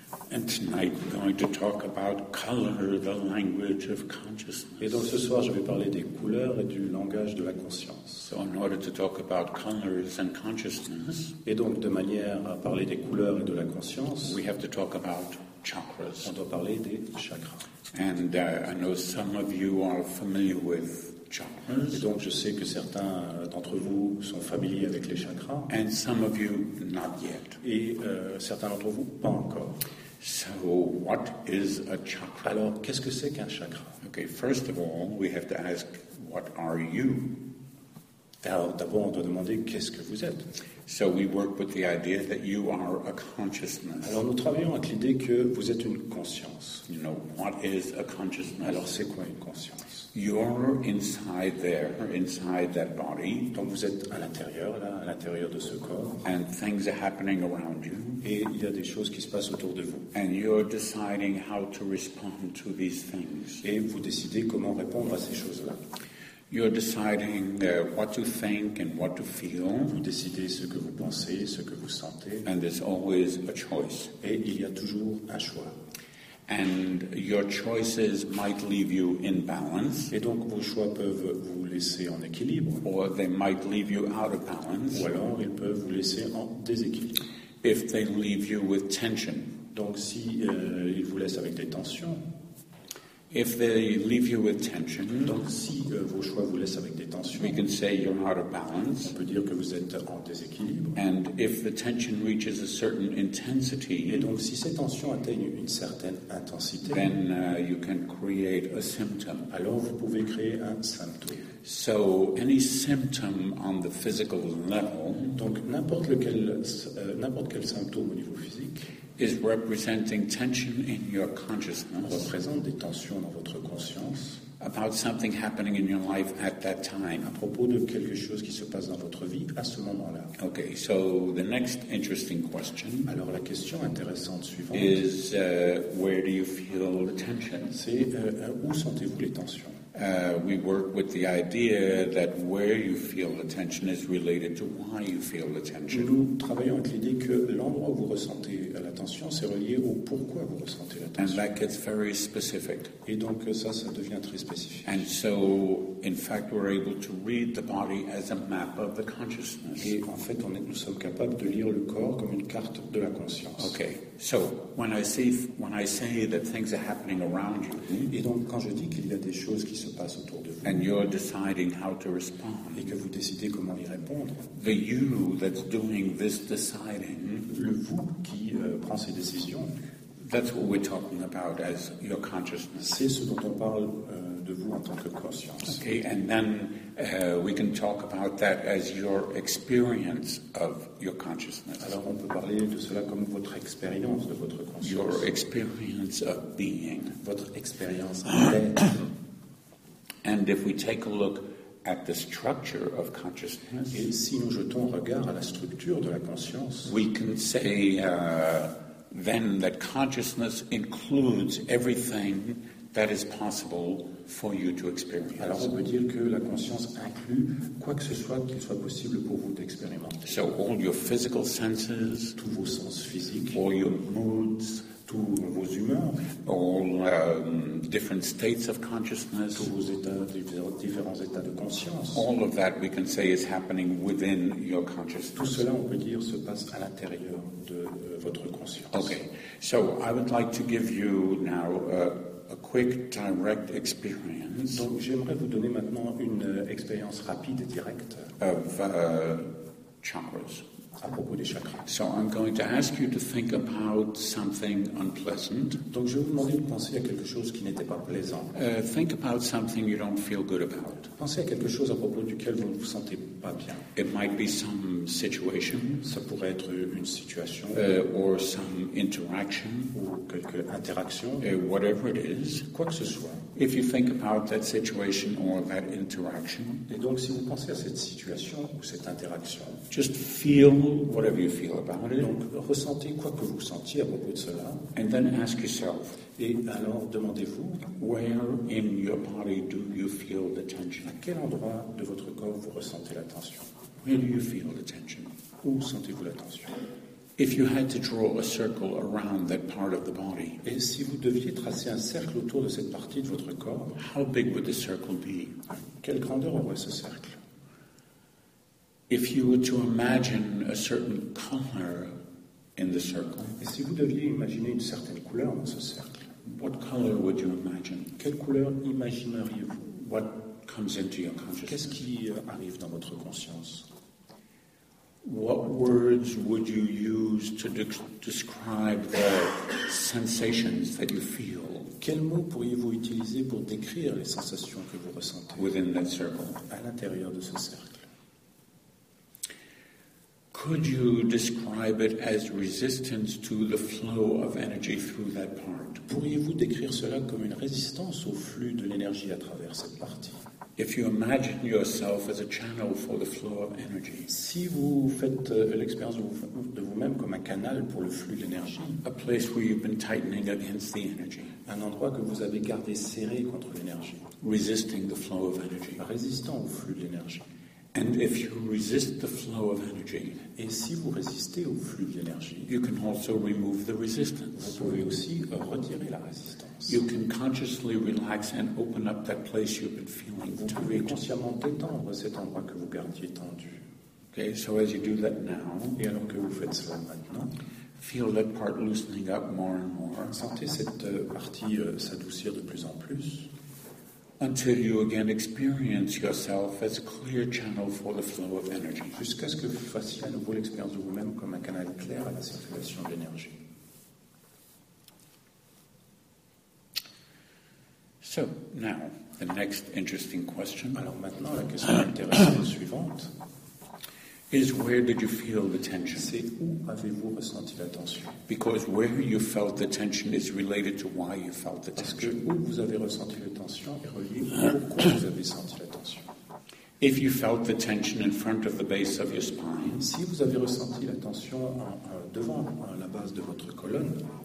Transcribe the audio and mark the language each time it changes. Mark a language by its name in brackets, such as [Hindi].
[English] And tonight we're going to talk about color, the language of consciousness. [French] Et donc ce soir je vais parler des couleurs et du langage de la conscience. [English] So in order to talk about colors and consciousness, [French] et donc de manière à parler des couleurs et de la conscience, [English] we have to talk about chakras. [French] On doit parler des chakras. [English] And I know some of you are familiar with chakras. [French] Et donc je sais que certains d'entre vous sont familiers avec les chakras. [English] And some of you not yet. [French] Et certains d'entre vous pas encore. [English] So what is a chakra? [French] Alors qu'est-ce que c'est qu'un chakra? [English] Okay, first of all, we have to ask, what are you? [French] Alors d'abord on doit demander qu'est-ce que vous êtes. [English] So we work with the idea that you are a consciousness. [French] Alors nous travaillons avec l'idée que vous êtes une conscience. [English] You know, what is a consciousness? [French] Alors c'est quoi une conscience? [English] You're inside there, inside that body. [French] Donc vous êtes à l'intérieur, là, à l'intérieur de ce corps. [English] And things are happening around you. [French] Et il y a des choses qui se passent autour de vous. [English] And you're deciding how to respond to these things. [French] Et vous décidez comment répondre à ces choses-là. [English] You're deciding what to think and what to feel. [French] Vous décidez ce que vous pensez, ce que vous sentez. [English] And there's always a choice. [French] Et il y a toujours un choix. [English] And your choices might leave you in balance. [French] Et donc vos choix peuvent vous laisser en équilibre. [English] Or they might leave you out of balance. [French] Ou alors ils peuvent vous laisser en déséquilibre. [English] If they leave you with tension. [French] Donc si ils vous laissent avec des tensions. [English] If they leave you with tension. [French] Donc si vos choix vous laissent avec des tensions. [English] We can say you're out of balance. [French] On peut dire que vous êtes en déséquilibre. [English] And if the tension reaches a certain intensity. [French] Et donc si ces tensions atteignent une certaine intensité. [English] Then you can create a symptom. [French] Alors vous pouvez créer un symptôme. [English] So any symptom on the physical level. [French] Donc n'importe quel symptôme au niveau physique. [English] Is representing tension in your consciousness. [French] Représente des tensions dans votre conscience. [English] About something happening in your life at that time. [French] À propos de quelque chose qui se passe dans votre vie à ce moment-là. [English] Okay, so the next interesting question. [French] Alors la question intéressante suivante. [English] Is where do you feel the tension? [French] C'est où sentez-vous les tensions? [English] We work with the idea that where you feel the tension is related to why you feel the tension. [French] Nous travaillons avec l'idée que l'endroit où vous ressentez la tension c'est relié au pourquoi vous ressentez la tension. [English] And that gets very specific. [French] Et donc ça devient très spécifique. [English] And so, in fact, we're able to read the body as a map of the consciousness. [French] Et en fait, nous sommes capables de lire le corps comme une carte de la conscience. [English] Okay. So when I say that things are happening around you, [French] et donc quand je dis qu'il y a des choses qui se passent autour de vous, [English] and you're deciding how to respond, [French] et que vous décidez comment y répondre, [English] the you that's doing this deciding, [French] le vous qui prend ces décisions, [English] that's what we're talking about as your consciousness. [French] C'est ce dont on parle de vous en tant que conscience. [English] Okay, and then we can talk about that as your experience of your consciousness. [French] Alors on peut parler de cela comme votre expérience de votre conscience. [English] Your experience of being. [French] Votre expérience d'être. [English] And if we take a look at the structure of consciousness. [French] Et si nous jetons un regard à la structure de la conscience. [English] We can say then that consciousness includes everything that is possible for you to experience. [French] Alors on peut dire que la conscience inclut quoi que ce soit qu'il soit possible pour vous d'expérimenter. [English] So all your physical senses, [French] tous vos sens physiques, [English] all your moods, [French] tous vos humeurs, [English] all different states of consciousness, [French] tous vos états, différents états de conscience, [English] all of that we can say is happening within your consciousness. [French] Tout cela on peut dire se passe à l'intérieur de votre conscience. [English] Okay, so I would like to give you now a quick direct experience. [French] Donc j'aimerais vous donner maintenant une expérience rapide et directe [English] of chakras. [French] À propos des chakras. [English] So I'm going to ask you to think about something unpleasant. [French] Donc je vais vous demander de penser à quelque chose qui n'était pas plaisant. [English] Think about something you don't feel good about. [French] Pensez à quelque chose à propos duquel vous ne vous sentez pas bien. [English] It might be some situation. [French] Ça pourrait être une situation. [English] Or some interaction. [French] Ou quelque interaction. [English] Whatever it is. [French] Quoi que ce soit. [English] If you think about that situation or that interaction, [French] et donc si vous pensez à cette situation ou cette interaction, [English] just feel whatever you feel about it. [French] Donc ressentez quoi que vous sentiez à propos de cela. [English] And then ask yourself. [French] Et alors demandez-vous. [English] Where in your body do you feel the tension? [French] À quel endroit de votre corps vous ressentez la tension? [English] Where do you feel the tension? [French] Où sentez-vous la tension? [English] If you had to draw a circle around that part of the body, [French] et si vous deviez tracer un cercle autour de cette partie de votre corps, [English] how big would the circle be? [French] Quelle grandeur aurait ce cercle? [English] If you were to imagine a certain color in the circle, [French] et si vous deviez imaginer une certaine couleur dans ce cercle, [English] what color would you imagine? [French] Quelle couleur imagineriez-vous? [English] What comes into your consciousness? [French] Qu'est-ce qui arrive dans votre conscience? [English] What words would you use to describe the sensations that you feel? [French] Quels mots pourriez-vous utiliser pour décrire les sensations que vous ressentez? [English] Within that circle. [French] À l'intérieur de ce cercle. [English] Could you describe it as resistance to the flow of energy through that part? [French] Pourriez-vous décrire cela comme une résistance au flux de l'énergie à travers cette partie? [English] If you imagine yourself as a channel for the flow of energy, [French] si vous faites l'expérience de vous-même comme un canal pour le flux d'énergie, [English] a place where you've been tightening against the energy, [French] un endroit que vous avez gardé serré contre l'énergie, [English] resisting the flow of energy, [French] résistant au flux d'énergie, [English] and if you resist the flow of energy, [French] et si vous résistez au flux d'énergie, [English] you can also remove the resistance, [French] vous pouvez aussi retirer la résistance. [English] You can consciously relax and open up that place you've been feeling. [French] Vous pouvez consciemment détendre cet endroit que vous gardiez tendu. [English] Okay, so as you do that now, [French] et alors que vous faites cela maintenant, [English] feel that part loosening up more and more. [French] Sentez cette partie s'adoucir de plus en plus. [English] Until you again experience yourself as a clear channel for the flow of energy. [French] Jusqu'à ce que vous fassiez à nouveau l'expérience de vous-même comme un canal clair à la circulation d'énergie. [English] So now the next interesting question. [French] Alors maintenant la question intéressante suivante [English] is where did you feel the tension? [French] C'est où avez-vous ressenti la tension? [English] Because where you felt the tension is related to why you felt the tension. [French] Parce que où vous avez ressenti la tension est relié à pourquoi vous avez senti la tension. [English] If you felt the tension in front of the base of your spine, [French] si vous avez ressenti la tension devant la base de votre colonne,